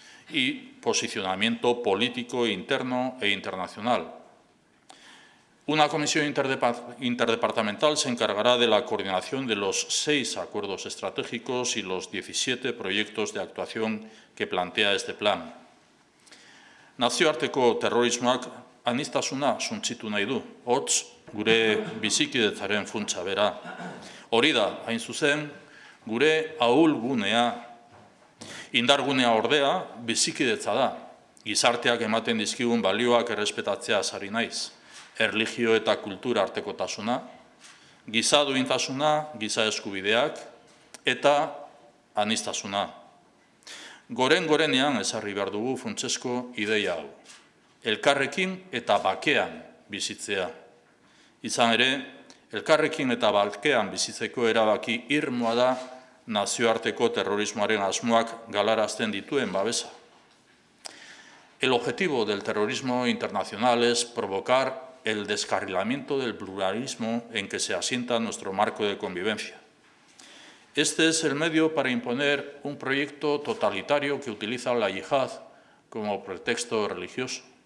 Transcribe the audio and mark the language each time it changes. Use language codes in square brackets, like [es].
[es] Y posicionamiento político interno e internacional. Una comisión interdepartamental se encargará de la coordinación de los 6 acuerdos estratégicos y los 17 proyectos de actuación que plantea este plan. [eu] Nazioarteko terrorismoak anistasuna suntzitu nahi du, hots gure bizikidetzaren funtsa bera. Hori da, hain zuzen, gure ahulgunea. Indargunea ordea, bizikidetza da. Gizarteak ematen dizkigun balioak errespetatzea sari naiz. Erlijio eta kultura artekotasuna, giza duintasuna, giza eskubideak, eta anistasuna. Goren-gorenean ezarri behar dugu funtsezko ideia hau. Elkarrekin eta bakean bizitzea. Izan ere, elkarrekin eta bakean bizitzeko erabaki irmoa da nazioarteko terrorismoaren asmoak galarazten dituen babesa. [es] El objetivo del terrorismo internacional es provocar el descarrilamiento del pluralismo en que se asienta nuestro marco de convivencia. Este es el medio para imponer un proyecto totalitario que utiliza la yihad como pretexto religioso.